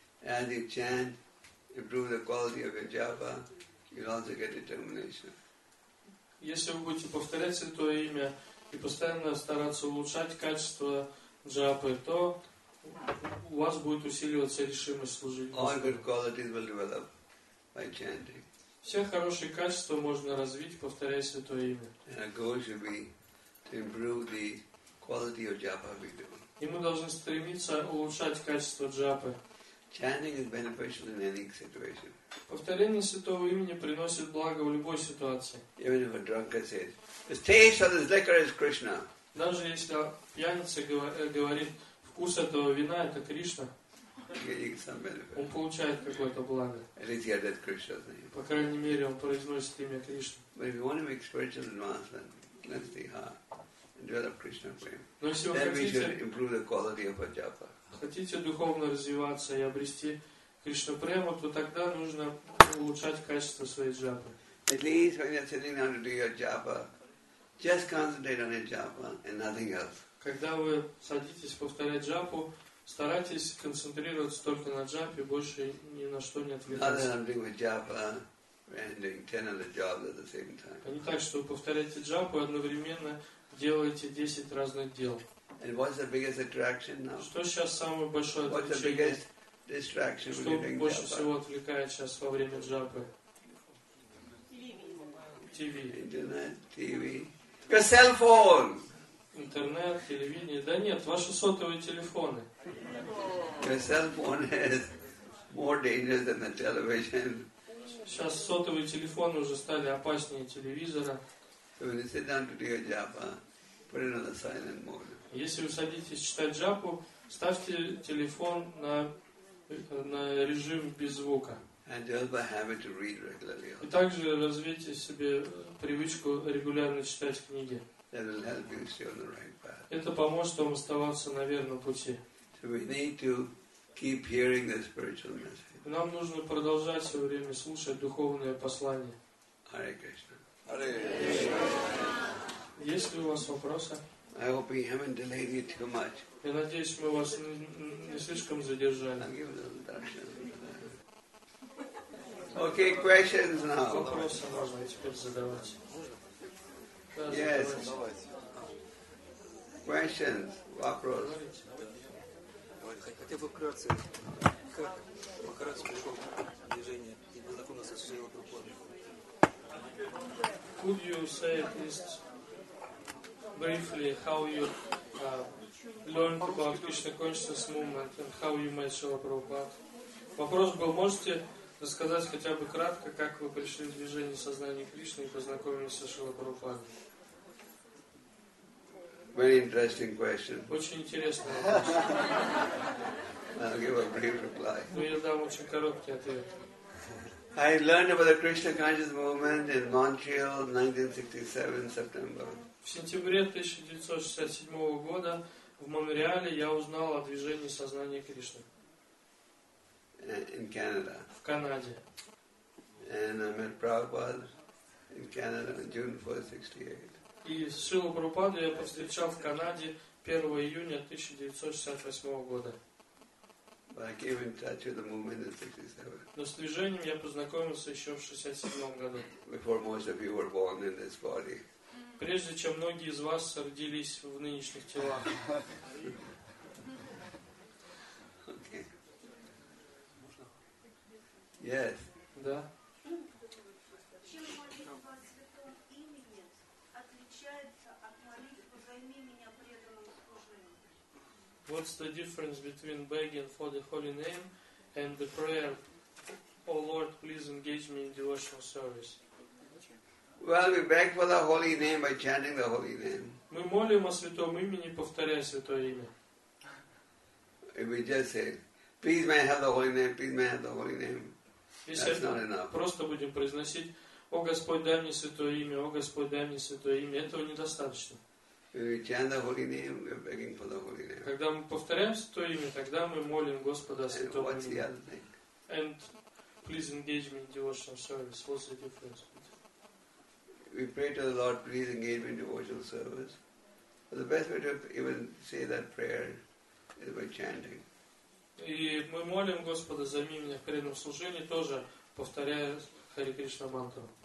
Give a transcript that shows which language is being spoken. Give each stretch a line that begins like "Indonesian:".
English: As you chant, improve the quality of your japa, you'll also get determination.
Russian: Если вы будете повторять святое имя и постоянно стараться улучшать качество джапы, то у вас будет усиливаться решимость служить Господу.
English: All good qualities will develop by chanting.
Russian: Все хорошие качества можно развить, повторяя святое имя.
English: And our goal should be to improve the quality of japa we do.
Russian: И мы должны стремиться улучшать качество джапы.
English: Chanting is beneficial in any situation.
Russian: Повторение святого имени приносит благо в любой ситуации.
English: Even if a drunkard says, the taste of this liquor is Krishna.
Russian: Даже если пьяница говорит, вкус этого вина это Кришна.
English: Getting some benefit.
Russian: Он получает какое-то благо.
English: At least he has that Krishna's name.
Russian: По крайней мере, он произносит имя Кришна.
English: But if you want to make spiritual advancement, cleanse the heart and develop Krishna fame.
Russian: Но если вы хотите,
English: then we should improve the quality of our japa.
Russian: Хотите духовно развиваться и обрести Кришна прему, то тогда нужно улучшать качество своей джапы.
English: At least when you're sitting down to do your japa, just concentrate on your japa and nothing else.
Russian: Когда вы садитесь повторять джапу, старайтесь концентрироваться только на джапе, больше ни на что не отвлекаться.
English: Not that I'm doing with japa and doing 10 other jobs at the same time.
Russian: А не так, что вы повторяете джапу и одновременно делаете 10 разных дел.
English: And what's the biggest attraction now?
Russian: Что сейчас самое большое отвлечение?
English: What's the biggest distraction when you're doing japa?
Russian: Что больше всего отвлекает сейчас во время джапы?
English: TV. Internet, TV. Your cell phone.
Russian: Интернет, телевидение. Да нет, ваши сотовые телефоны.
English: Your cell phone is more dangerous than the television.
Russian: Сейчас сотовые телефоны уже стали опаснее телевизора.
English: So when you sit down to do your japa, Принада сайнен можно.
Russian: Если вы садитесь читать джапу, ставьте телефон на режим без звука.
English: And just by having to read regularly.
Russian: И также развейте себе привычку регулярно читать книги.
English: That'll help you stay on the right path.
Russian: Это поможет вам оставаться на верном пути.
English: So we need to keep hearing the spiritual message.
Russian: Нам нужно продолжать все время слушать духовное послание.
English: Hare Krishna. Hare Krishna.
Russian: Есть ли у вас вопросы?
English: I hope we haven't delayed you too much.
Russian: Я надеюсь, мы вас не слишком задержали.
English: I'll give them instructions. Okay, questions now.
Russian: Вопросы можно теперь задавать.
English: Yes. Questions.
Russian: Вопросы. Хотя бы вкратце. Как покараться приходом движения и познакомиться с своей группой?
English: Could you say at least briefly how you learned about Krishna Consciousness Movement and how you met Srila Prabhupada?
Russian: Вопрос был, можете рассказать хотя бы кратко, как вы пришли в движение сознания Кришны и познакомились со Шрилой Прабхупадой?
English: Very interesting question.
Russian: Очень интересный вопрос.
English: I'll give a brief reply.
Russian: Ну, я дам очень короткий ответ.
English: I learned about the Krishna Consciousness Movement in Montreal, 1967, September.
Russian: В сентябре 1967 года в Монреале я узнал о движении сознания Кришны.
English: In Canada.
Russian: В Канаде.
English: And I met Prabhupada in Canada on June 4, 68.
Russian: И Шрилу Прабхупаду я повстречал в Канаде 1 июня 1968 года. Но с движением я познакомился еще в 1967 году. Прежде чем многие из вас родились в нынешних телах.
English: Okay. Yes.
Russian: Да.
English: What's the difference between begging for the holy name and the prayer, O Lord, please engage me in devotional service? Well, we beg for the holy name by chanting the holy name.
Russian: Мы молим о святом имени, повторяя святое имя.
English: If we just say, please may I have the holy name, please may I have the holy name, that's not enough.
Russian: Просто будем произносить, О Господь, дай мне святое имя, О Господь, дай мне святое имя, этого недостаточно.
English: When we chant the holy name, we're begging for the holy name.
Russian: Когда мы повторяем святое имя, тогда мы молим Господа святого имя.
English: And please engage me in devotional service. What's the difference? We pray to the Lord, please engage me in devotional service. But the best way to even say that prayer is by chanting.
Russian: И мы молим Господа за меня в преданном служении тоже повторяя Хари Кришна мантру.